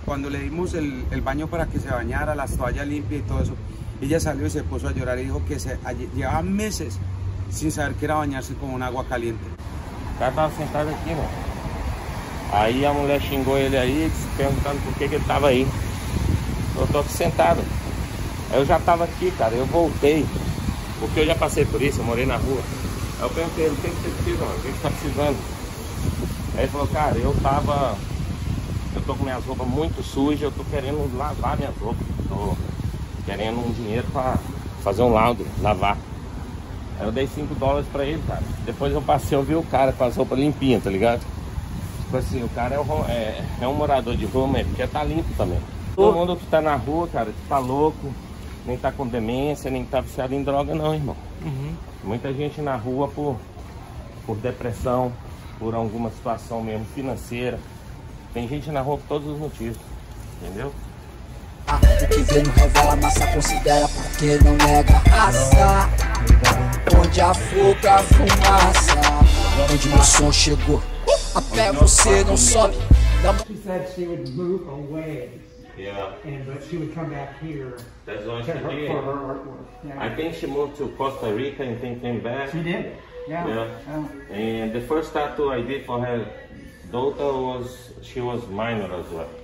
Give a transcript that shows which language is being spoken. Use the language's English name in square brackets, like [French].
[Spanish] Cuando le dimos el baño para que se bañara, las toallas limpias y todo eso, ella salió y se puso a llorar y dijo que llevaba meses sin saber que era bañarse con un agua caliente. Ya estaba sentado aquí, ¿no? Ahí la mujer chingó él ahí, preguntando por qué que estaba ahí. Yo estoy aquí sentado. Yo ya estaba aquí, cara, yo voltei. Porque yo ya pasé por eso, [Portuguese] morei na rua. Aí eu perguntei, ele, o que você precisa, mano? O que você tá precisando? Aí ele falou, cara, eu tô com minhas roupas muito sujas, eu tô querendo lavar minhas roupas. Tô querendo um dinheiro pra fazer um laundry, lavar. Aí eu dei $5 pra ele, cara. Depois eu passei, eu vi o cara com as roupas limpinhas, tá ligado? Tipo assim, o cara é um morador de rua, mas quer tá limpo também. Todo mundo que tá na rua, cara, tá louco, nem tá com demência, nem tá viciado em droga não, irmão. Uhum. Muita gente na rua por depressão, por alguma situação mesmo financeira. Tem gente na rua por todos os motivos, entendeu? O que vê não revela, massa considera, porque não nega raça. Onde a fuga, a fumaça. Onde meu som chegou, até você não sobe. [English] She said she would move away. Yeah. And but she would come back here. That's what she did. For her artwork. Yeah. I think she moved to Costa Rica and then came back. She did. Yeah. Yeah. And the first tattoo I did for her daughter was, she was minor as well.